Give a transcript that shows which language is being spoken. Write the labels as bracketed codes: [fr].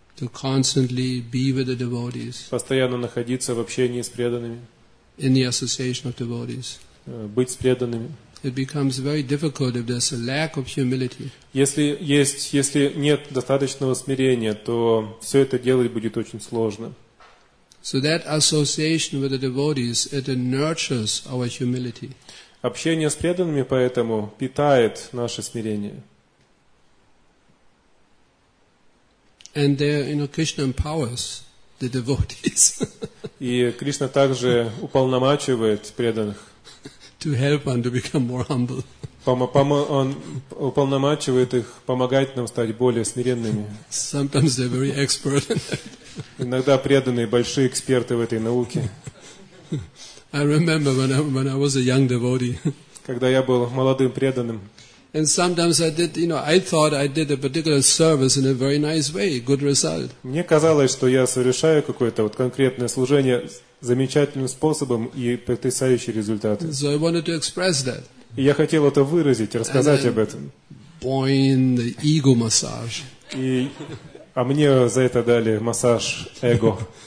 [en] To constantly be with the devotees. [ru] Постоянно находиться в общении с преданными. [en] In the association of devotees. [ru] Быть с преданными. [en] It becomes very difficult if there's a lack of humility. [ru] Если нет достаточного смирения, то все это делать будет очень сложно. [en] So that association with the devotees it nurtures our humility. [ru] Общение с преданными поэтому питает наше смирение. [en] And there, you know, Krishna empowers the devotees. [ru] И Кришна также уполномачивает преданных. [en] To help one to become more humble. [ru] Он уполномачивает их помогать нам стать более смиренными. [en] Sometimes they're very expert. [ru] Иногда преданные большие эксперты в этой науке. [en] I remember when I was a young devotee. [ru] Когда я был молодым преданным. [en] And sometimes I did, you know, I thought I did a particular service in a very nice way, good result. [ru] Мне казалось, что я совершаю какое-то вот конкретное служение. Замечательным способом и потрясающие результаты. [en] So I wanted to express that. [ru] И я хотел это выразить, рассказать об этом. [en] Boing, the ego massage. [ru] А мне за это дали массаж эго.